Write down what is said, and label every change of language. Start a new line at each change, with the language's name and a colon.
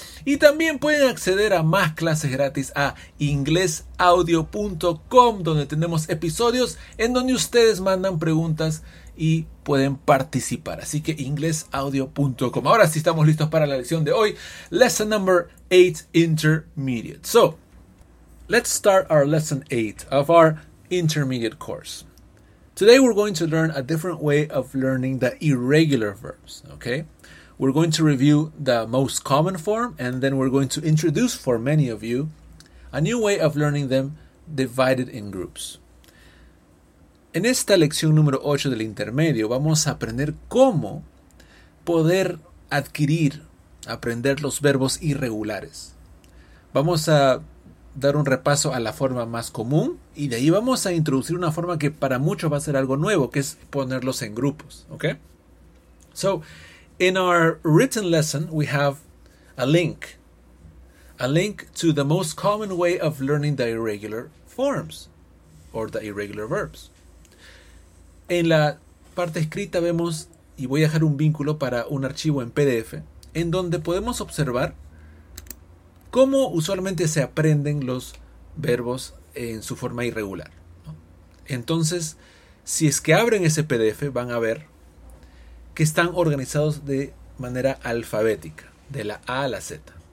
Spanish: Y también pueden acceder a más clases gratis a inglesaudio.com, donde tenemos episodios en donde ustedes mandan preguntas y pueden participar. Así que inglesaudio.com. Ahora sí estamos listos para la lección de hoy.
English: Lesson number 8, intermediate. So, let's start our lesson 8 of our intermediate course. Today we're going to learn a different way of learning the irregular verbs, okay? We're going to review the most common form, and then we're going to introduce for many of you a new way of learning them divided in groups.
Spanish: En esta lección número 8 del intermedio vamos a aprender cómo poder aprender los verbos irregulares. Vamos a dar un repaso a la forma más común y de ahí vamos a introducir una forma que para muchos va a ser algo nuevo, que es ponerlos en grupos, ¿ok?
English: So, in our written lesson, we have a link to the most common way of learning the irregular forms or the irregular verbs.
Spanish: En la parte escrita vemos, y voy a dejar un vínculo para un archivo en PDF, en donde podemos observar cómo usualmente se aprenden los verbos en su forma irregular, ¿no? Entonces, si es que abren ese PDF, van a ver que están organizados de manera alfabética, de la A a la Z.